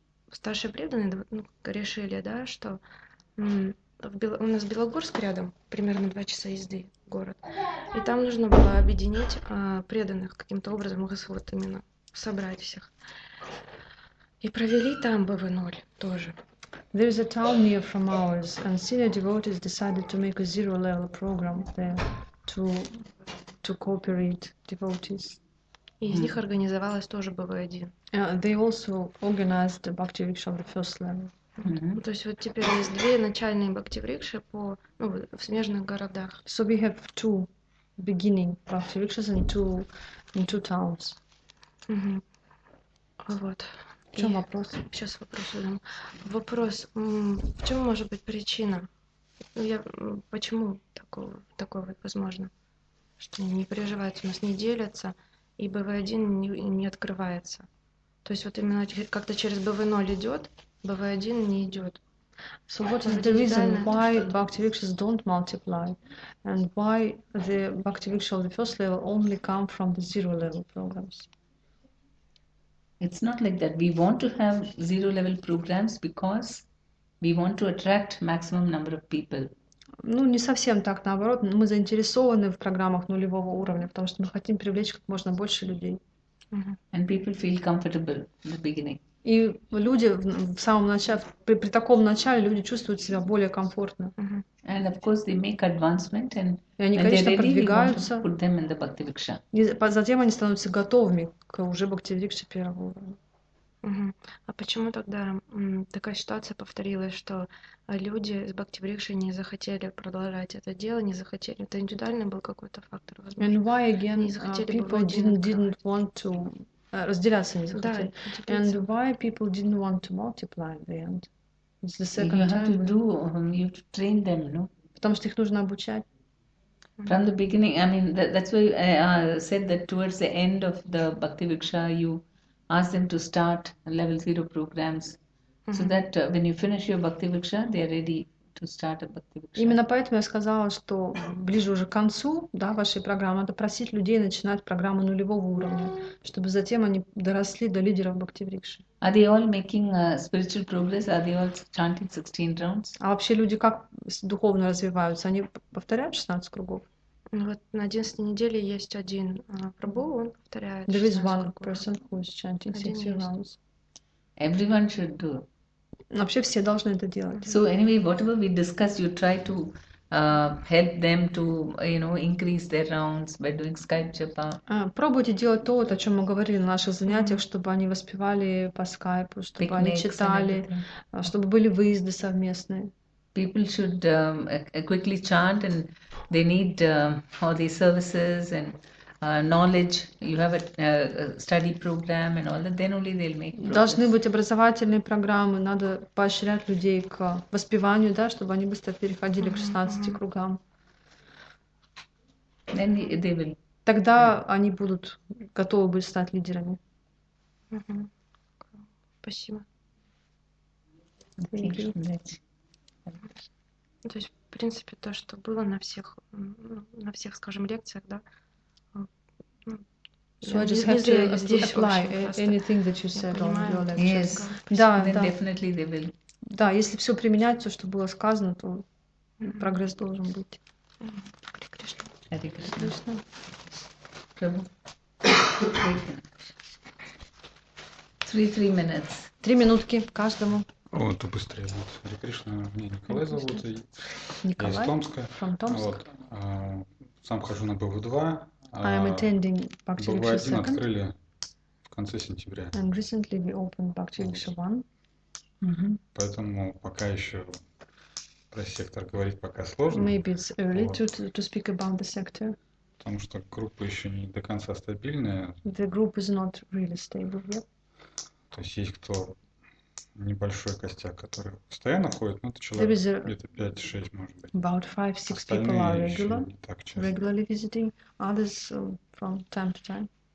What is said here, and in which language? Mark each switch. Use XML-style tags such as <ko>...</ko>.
<ru>Старшие преданные, ну, решили, да, что у нас Белогорск рядом, примерно 2 часа езды город. И там нужно было объединить преданных каким-то образом, их вот именно собрать всех. И провели там БВ0 тоже.</ru> <en>There is a town near from ours, and senior devotees decided to make a zero level program there to cooperate devotees.</en> <ru>И из них организовалась тоже БВ1.</ru> <en>They also organized the bhakti-riksha of the first level.</en> <ru>То есть вот теперь есть две начальные бхакти-рикши по, ну, в смежных городах.</ru> <en>So we have two beginning bhakti-rikshas in two towns.</en> <ru>Вот. В чем вопрос? Сейчас вопрос задам. Вопрос. В чем может быть причина? Почему такое вот возможно? Что не переживаются, у нас не делятся, и БВ1 не открывается. То есть вот именно как-то через БВ0 идет, БВ1 не идет.</ru> <en>So what is the reason why bhakti-rikshas don't multiply? And why the bhakti-rikshas of the first level only come from the zero level programs? It's not like that. We want to have zero level programs because we want to attract maximum number of people.</en> <ru>Ну, не совсем так, наоборот. Мы заинтересованы в программах нулевого уровня, потому что мы хотим привлечь как можно больше людей.</ru> <en>And people feel comfortable in the beginning.</en> <ru>И люди в самом начале, при таком начале люди чувствуют себя более комфортно.</ru> <en>And of course they make advancement and</en> <ru>и они, конечно,</ru> <en>ready,</en> <ru>продвигаются.</ru> <en>Put them in the bhakti-viksha.</en> <ru>И затем они становятся готовыми к уже бхакти-викше первого уровня. А почему тогда такая ситуация повторилась, что люди с бхакти-врикши не захотели продолжать это дело, не захотели? Это индивидуально был какой-то фактор, возможно?</ru> <en>And why again,</en> <ru>не захотели</ru> <en>people didn't want to</en> <ru>разделяться, не захотели? Да,</ru> <en>and why people didn't want to multiply at the end? It's the second you have to do, you have to train them, no?</en> <ru>Потому что их нужно обучать.</ru> <en>From the beginning, I mean, that's why I said that towards the end of the bhakti-viksha, you ask them to start level zero programs, so that when you finish your bhakti viksha, they are ready to start a bhakti viksha.</en> <ru>Именно поэтому я сказала, что ближе уже к концу, да, вашей программы, надо просить людей начинать программу нулевого уровня, чтобы затем они доросли до лидеров бхакти викши.</ru> <en>Are they all making spiritual progress? Are they all chanting 16 rounds?</en> <ru>А вообще люди как духовно развиваются? Они повторяют 16 кругов? Ну вот на 11 неделе есть один прабу, он повторяет.</ru> <en>There is one person who is chanting 60 rounds. Everyone should do.</en> <ru>Вообще все должны это делать.</ru> <en>So anyway, whatever we discuss, you try to help them to, you know, increase their rounds by doing Skype japa.</en> <ru>Пробуйте делать то, о чем мы говорили на наших занятиях, чтобы они воспевали по скайпу, чтобы они читали, чтобы были выезды совместные.</ru> <en>People should quickly chant, and they need all these services and knowledge. You have a study program and all that. Then only they'll make progress.</en> <ru>Должны быть образовательные программы. Надо поощрять людей к воспеванию, да, чтобы они быстро переходили к 16 кругам.</ru> <en>Then they will.</en> <ru>Тогда они будут готовы быть стать лидерами. Спасибо.</ru> <en>Thank you.</en> <ru>То есть, в принципе, то, что было на всех, скажем, лекциях, да?</ru> <en>So I just have to apply anything that you said on your lectures. Yes,</en> <ru>да,</ru> <en>then</en> <ru>да.</ru> <en>Definitely they will.</en> <ru>Да, если все применять, все, что было сказано, то прогресс должен быть. Хари Кришна. Хари Кришна.</ru> <en>Three minutes.</en> <ru>Три минутки каждому. О, то быстрее будет. Хари Кришна, меня Николай зовут. Николай? Я из Томска.</ru> <en>From Tomsk.</en> <ru>Вот. Сам хожу на БВ-2.</ru> <en>I am attending Bhakti Viksha Second.</en> <ru>БВ-1 открыли в конце сентября.</ru> <en>And recently we opened Bhakti Viksha One.</en> <ru>Поэтому пока еще про сектор говорить пока сложно.</ru> <en>Maybe it's early to speak about the sector.</en> <ru>Потому что группа еще не до конца стабильная.</ru> <en>The group is not really stable yet.</en> <ru>То есть есть кто... Небольшой костяк, который постоянно ходит, ну, это человек a... где-то 5-6, может быть.</ru> <en>About 5-6</en> <ru>остальные</ru> <en>people are regular,</en> <ru>еще не так часто.</ru> <en>Regularly visiting, others from time to time.</en>